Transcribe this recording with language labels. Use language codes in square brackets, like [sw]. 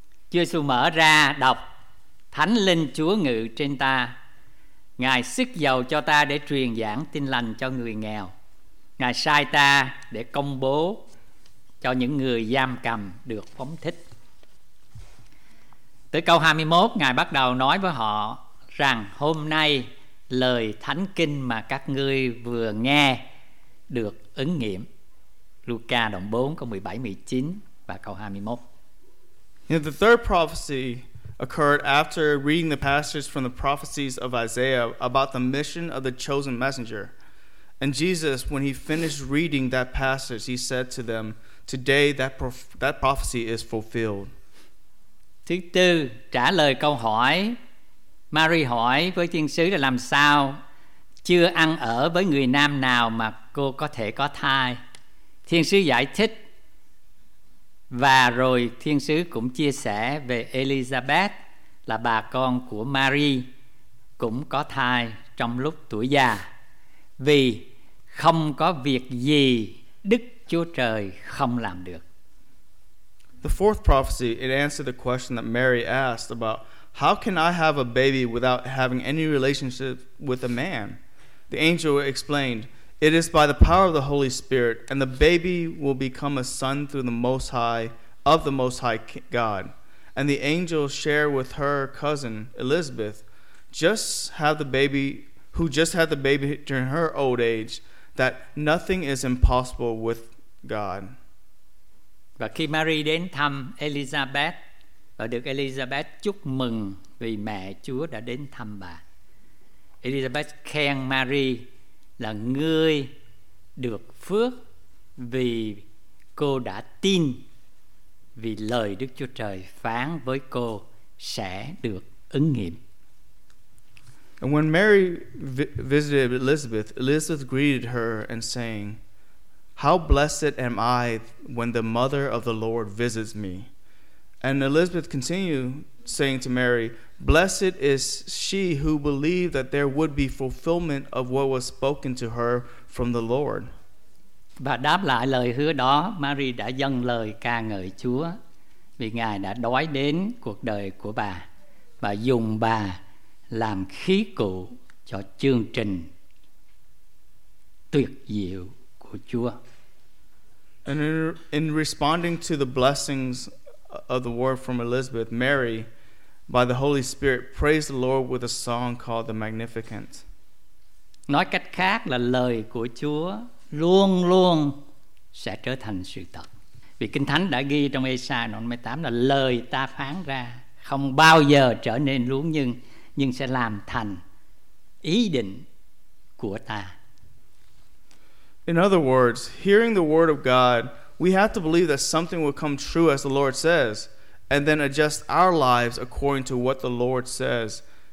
[vi] Chúa Giêsu mở ra đọc: Thánh Linh Chúa ngự trên ta, Ngài sức dầu cho ta để truyền giảng tin lành cho người nghèo, Ngài sai ta để công bố cho những người giam cầm được phóng thích. Tới câu 21, Ngài bắt đầu nói với họ rằng hôm nay lời thánh kinh mà các ngươi vừa nghe được ứng nghiệm. Luca đoạn 4 câu 17, 19 và câu 21. [en] Now the third prophecy occurred after reading the passages from the prophecies of Isaiah about the mission of the chosen messenger. And Jesus, when he finished reading that passage, he said to them, today that prophecy is fulfilled. [vi] Thứ tư, trả lời câu hỏi Mary hỏi với thiên sứ là làm sao chưa ăn ở với người nam nào mà cô có thể có thai. Thiên sứ giải thích, và rồi thiên sứ cũng chia sẻ về Elizabeth là bà con của Mary cũng có thai trong lúc tuổi già, vì không có việc gì Đức Chúa Trời không làm được. [en] The fourth prophecy, it answered the question that Mary asked about how can I have a baby without having any relationship with a man. The angel explained, it is by the power of the Holy Spirit, and the baby will become a son through the Most High of the Most High God. And the angel shared with her cousin Elizabeth, who just had the baby during her old age, that nothing is impossible with God. [vi] Và khi Mary đến thăm Elizabeth, Và được Elizabeth chúc mừng vì mẹ Chúa đã đến thăm bà. Elizabeth khen Mary là người được phước vì cô đã tin, vì lời Đức Chúa Trời phán với cô sẽ được ứng nghiệm. [en] And when Mary visited Elizabeth, Elizabeth greeted her and saying, "How blessed am I when the mother of the Lord visits me." And Elizabeth continued saying to Mary, "Blessed is she who believed that there would be fulfillment of what was spoken to her from the Lord." [vi] Và đáp lại lời hứa đó, Mary đã dâng lời ca ngợi Chúa vì Ngài đã đói đến cuộc đời của bà và dùng bà làm khí cụ cho chương trình tuyệt diệu của Chúa. [en] And in responding to the blessings of the word from Elizabeth, Mary, by the Holy Spirit, praised the Lord with a song called the Magnificat. [vi] Nói cách khác là lời của Chúa luôn luôn sẽ trở thành sự thật. Vì Kinh Thánh đã ghi trong Ê-sai đoạn 18 là lời ta phán ra không bao giờ trở nên luống nhưng sẽ làm thành ý định của ta. [en] In other words, hearing the word of God, we have to believe that something will come true as the Lord says, and then adjust our lives according to what the Lord says.